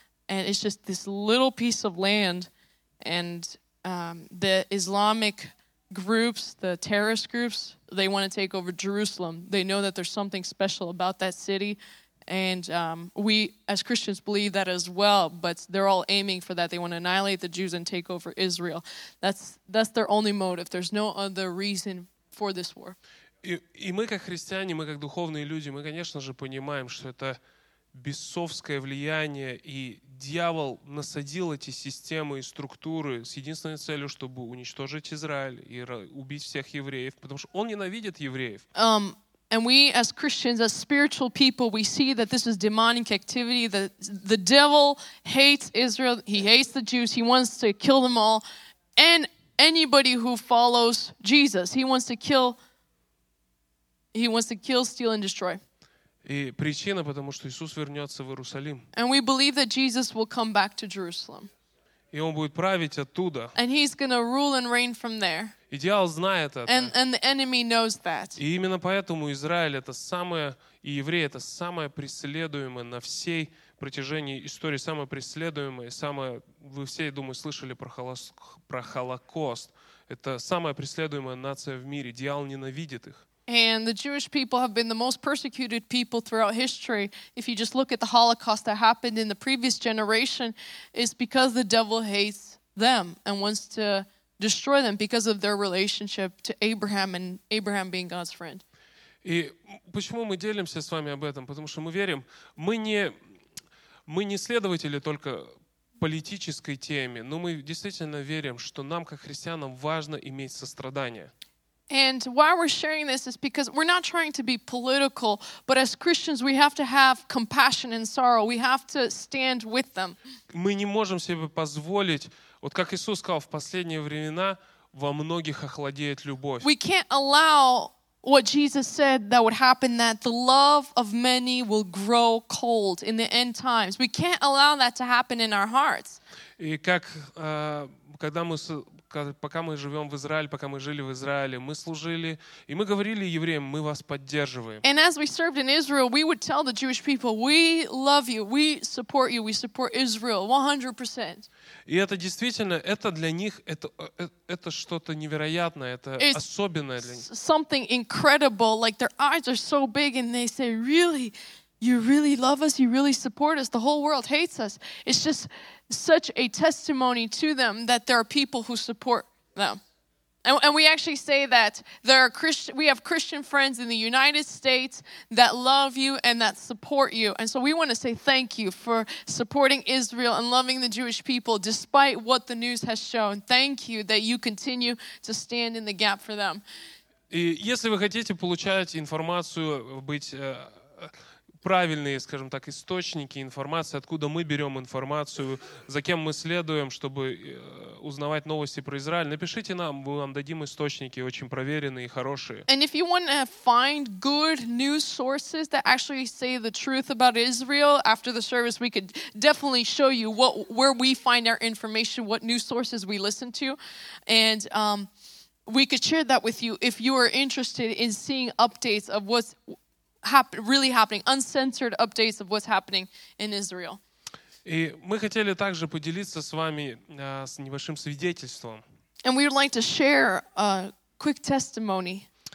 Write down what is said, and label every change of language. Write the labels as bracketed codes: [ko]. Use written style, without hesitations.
[en] And it's just this little piece of land. And the Islamic groups, the terrorist groups, they want to take over Jerusalem. They know that there's something special about that city. And we, as Christians, believe that as well. But they're all aiming for that. They want to annihilate the Jews and take over Israel. That's their only motive. There's no other reason for this war. [ru] И мы как христиане, мы как духовные люди, мы, конечно же, понимаем, что это бесовское влияние, и дьявол насадил эти системы и структуры с единственной целью, чтобы уничтожить Израиль и убить всех евреев, потому что он ненавидит евреев. [en] And we, as Christians, as spiritual people, we see that this is demonic activity. The devil hates Israel, he hates the Jews, he wants to kill them all, and anybody who follows Jesus, he wants to kill. He wants to kill, steal, and destroy. [ru] И причина, потому что Иисус вернется в Иерусалим. [en] And we believe that Jesus will come back to Jerusalem. [ru] И он будет править оттуда. [en] And he's going to rule and reign from there. [ru] И дьявол знает это. [en] And the enemy knows that. [ru] И именно поэтому Израиль это самое, и евреи это самое преследуемое на всей протяжении истории, самое преследуемое, самое. Вы все, я думаю, слышали про Холокост. Это самая преследуемая нация в мире. Дьявол ненавидит их. [en] And the Jewish people have been the most persecuted people throughout history. If you just look at the Holocaust that happened in the previous generation, it's because the devil hates them and wants to destroy them because of their relationship to Abraham and Abraham being God's friend. [ru] И почему мы делимся с вами об этом? Потому что мы верим, мы не следователи только политической теме, но мы действительно верим, что нам, как христианам, важно иметь сострадание. [en] And why we're sharing this is because we're not trying to be political, but as Christians, we have to have compassion and sorrow. We have to stand with them. [ru] Мы не можем себе позволить, вот как Иисус сказал, в последние времена во многих охладеет любовь. [en] We can't allow what Jesus said that would happen, that the love of many will grow cold in the end times. We can't allow that to happen in our hearts. [ru] И как, когда мы пока мы живем в Израиле, пока мы жили в Израиле, мы служили, и мы говорили евреям, мы вас поддерживаем. [en] And as we served in Israel, we would tell the Jewish people, we love you, we support Israel 100%. [ru] И это действительно, это для них, это что-то невероятное, это [en] It's [ru] особенное для них. [en] Something incredible, like their eyes are so big and they say, really? You really love us, you really support us, the whole world hates us. It's just such a testimony to them that there are people who support them. And we actually say that there are we have Christian friends in the United States that love you and that support you. And so we want to say thank you for supporting Israel and loving the Jewish people despite what the news has shown. Thank you that you continue to stand in the gap for them. [ru] И если вы хотите получать информацию, быть... правильные, скажем так, источники информации, откуда мы берем информацию, за кем мы следуем, чтобы узнавать новости про Израиль, напишите нам, мы вам дадим источники, очень проверенные и хорошие. [en] And if you want to find good news sources that actually say the truth about Israel, after the service we could definitely show you where we find our information, what news sources we listen to, and we could share that with you if you are interested in seeing updates of what's really happening, uncensored updates of what's happening in Israel. [ru] И мы хотели также поделиться с вами с небольшим свидетельством. [en] And we would like to share a quick testimony.